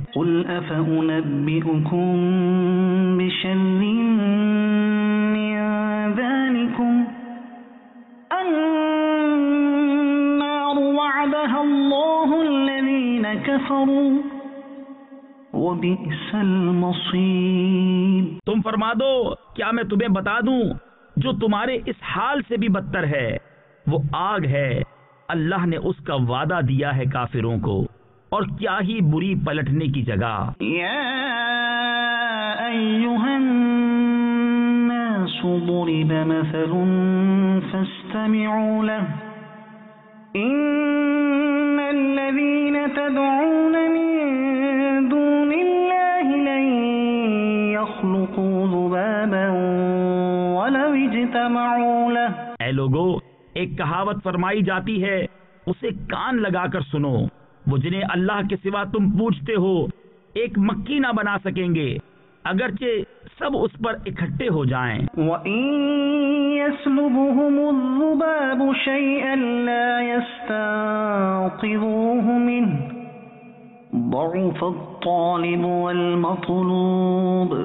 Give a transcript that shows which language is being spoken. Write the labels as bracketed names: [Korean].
[Arabic] قُلْ أَفَأُنَبِّئُكُمْ بِشَرٍّ مِّن ذَٰلِكُمْ النَّارُ وَعَدَهَا اللَّهُ الَّذِينَ كَفَرُوا وَبِئْسَ الْمَصِيرُ [Urdu] تم فرما دو کیا میں تمہیں بتا دوں جو تمہارے اس حال سے بھی بدتر ہے وہ آگ ہے اللہ نے اس کا وعدہ دیا ہے کافروں کو اور کیا ہی بری پلٹنے کی جگہ. [Arabic] یا ایها الناس ضرب مثل فاستمعوا له ان الذين تدعون من دون الله لن يخلقوا ذبابا ولو اجتمعوا له. [Urdu] اے لوگو, ایک کہاوت فرمائی جاتی ہے, اسے کان لگا کر سنو, وہ جنہیں اللہ کے سوا تم پوچھتے ہو ایک مکی نہ بنا سکیں گے اگرچہ سب اس پر اکٹھے ہو جائیں. [Arabic] وَإِن يَسْلُبُهُمُ الذُّبَابُ شَيْئًا لَا يَسْتَنْقِذُوهُ مِنْهُ ضَعُفَ الطَّالِبُ وَالْمَطْلُوبُ.